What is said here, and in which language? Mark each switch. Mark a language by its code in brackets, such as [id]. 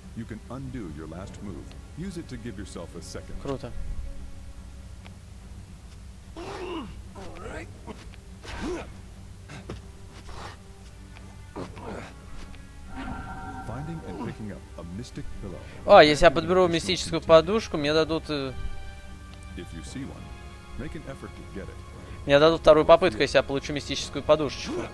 [en] You can undo your last move. Use it to give yourself a second. [ru] Круто. [en] Finding and picking up a mystic pillow. [ru] О, если я подберу мистическую подушку, мне дадут. [en] If you see one, make an effort to get it. [ru] Мне дадут вторую попытку, если я получу мистическую подушечку.